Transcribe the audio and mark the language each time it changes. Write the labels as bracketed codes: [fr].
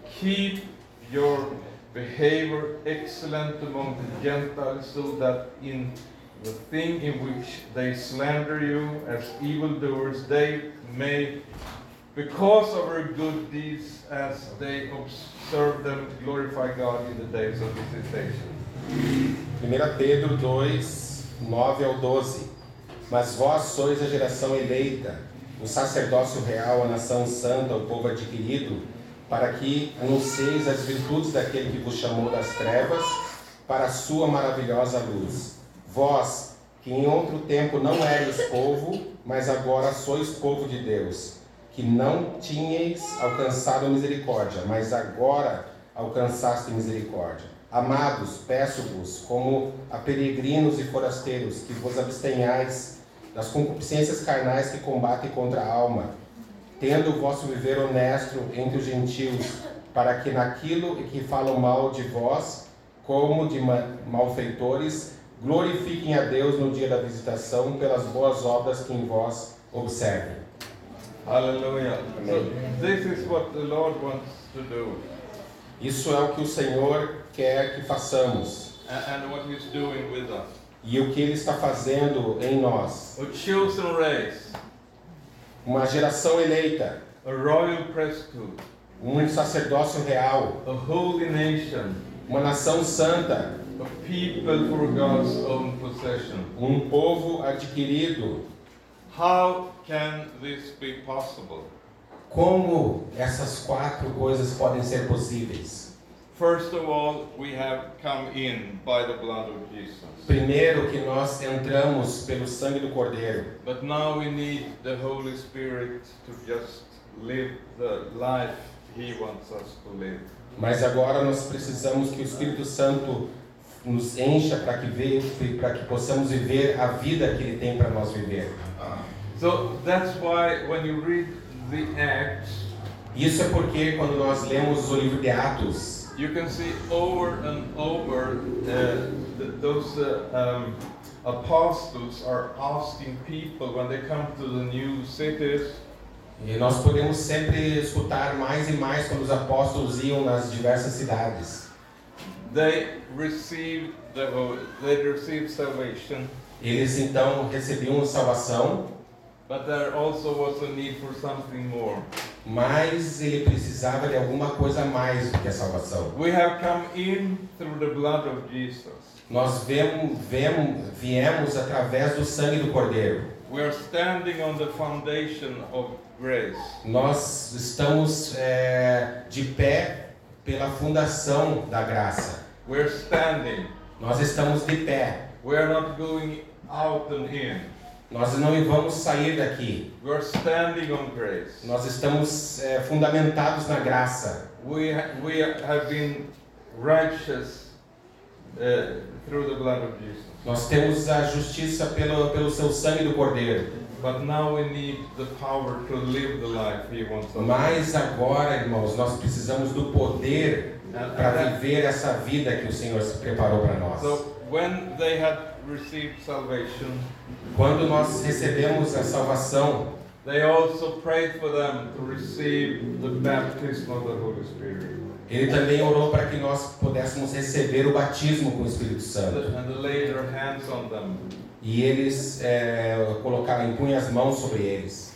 [en] Keep your behavior excellent among the Gentiles, so that in the thing in which they slander you as evildoers, they may, because of our good deeds, as they observe them, glorify God in the days of visitation. [pt] 1 Pedro 2, 9 ao 12. Mas vós sois a geração eleita, o sacerdócio real, a nação santa, o povo adquirido, para que anuncieis as virtudes daquele que vos chamou das trevas para a sua maravilhosa luz. Vós, que em outro tempo não erais povo, mas agora sois povo de Deus, que não tinhais alcançado misericórdia, mas agora alcançaste misericórdia. Amados, peço-vos, como a peregrinos e forasteiros, que vos abstenhais das concupiscências carnais que combatem contra a alma, tendo o vosso viver honesto entre os gentios, para que naquilo em que falam mal de vós, como de malfeitores, glorifiquem a Deus no dia da visitação pelas boas obras que em vós observem. Aleluia. [en] This is what the Lord wants to do. [pt] Isso é o que o Senhor quer que façamos. [en] And what he's doing with us. [pt] E o que ele está fazendo em nós. [en] A chosen race. [pt] Uma geração eleita. [en] A royal priesthood. [pt] Um sacerdócio real. [en] A holy nation. [pt] Uma nação santa. [en] A people for God's own possession. [pt] Um povo adquirido. [en] How can this be possible? [pt] Como essas quatro coisas podem ser possíveis? [en] First of all, we have come in by the blood of Jesus. [pt] Primeiro que nós entramos pelo sangue do Cordeiro. [en] But now we need the Holy Spirit to just live the life he wants us to live. [pt] Mas agora nós precisamos que o Espírito Santo nos encha para que possamos viver a vida que ele tem para nós viver. [en] So that's why when you read the Acts, [pt] isso é porque quando nós lemos o livro de Atos, [en] you can see over and over those apostles are asking people when they come to the new cities. [pt] E nós podemos sempre escutar mais e mais quando os apóstolos iam nas diversas cidades. [en] They received salvation. [pt] Eles então recebiam salvação. [en] But there also was a need for something more. [pt] Mas ele precisava de alguma coisa mais do que a salvação. [en] We have come in through the blood of Jesus. [pt] Nós viemos através do sangue do Cordeiro. [en] We are standing on the foundation of grace. [pt] Nós estamos de pé pela fundação da graça. [en] We are standing. [pt] Nós estamos de pé. [en] We are not going out and in. [pt] Nós não vamos sair daqui. [en] We are standing on grace. [pt] Nós estamos fundamentados na graça. [en] We have been righteous through the blood of Jesus. [pt] Nós temos a justiça pelo seu sangue do Cordeiro. [en] But now we need the power to live the life he wants. [pt] Mas agora, irmãos, nós precisamos do poder para viver essa vida que o Senhor preparou para nós. [en] So when they had received salvation, [pt] quando nós recebemos a salvação, [en] they also prayed for them to receive the baptism of the Holy Spirit. [pt] Ele também orou para que nós pudéssemos receber o batismo com o Espírito Santo. [en] And they laid their hands on them. [pt] E eles colocaram, impunham as mãos sobre eles.